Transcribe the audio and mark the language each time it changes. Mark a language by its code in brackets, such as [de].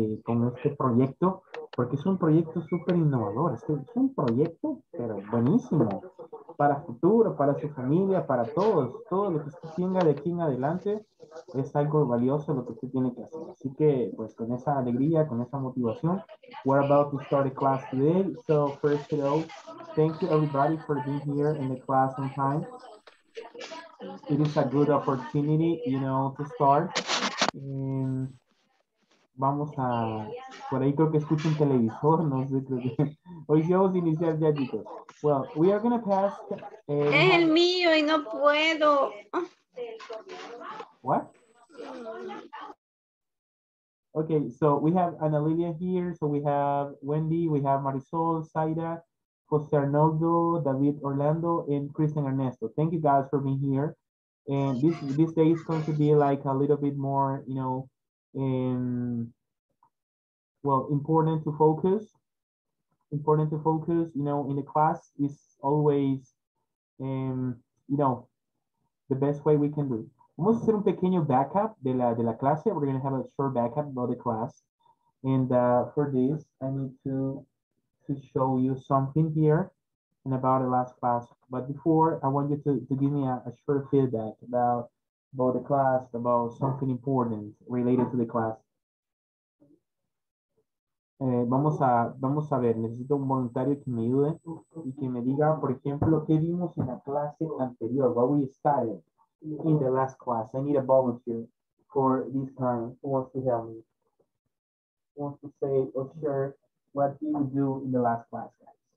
[es] Con este proyecto, porque es un proyecto súper innovador, es un proyecto pero buenísimo para futuro, para su familia, para todos, todo lo que usted tenga de aquí en adelante es algo valioso lo que usted tiene que hacer. Así que pues con esa alegría, con esa motivación, [en] we're about to start a class today. So first of all, thank you everybody for being here in the class on time. It is a good opportunity, you know, to start. [es] Vamos a, por ahí creo que escucho un televisor, no sé, creo que hoy sí vamos a iniciar ya, chicos. [en] Well, we are going to pass. [es] Es el mío y no puedo. [en] What? Okay, so we have Ana Lilia here, so we have Wendy, we have Marisol, Zaira, Jose Arnoldo, David Orlando, and Christian Ernesto. Thank you guys for being here. And this day is going to be like a little bit more, you know, important to focus, you know, in the class is always, you know, the best way we can do. [es] Vamos a hacer un pequeño backup de la clase. [en] We're going to have a short backup about the class. And for this, I need to to show you something here and about the last class. But before, I want you to give me a short feedback about the class, about something important related to the class. [es] Vamos a ver, necesito un voluntario que me ayude y que me diga, por ejemplo, ¿qué vimos en la clase anterior? [en] What we started in the last class. I need a volunteer for this time. Who wants to help me? Who wants to say or share what did we do in the last class, guys?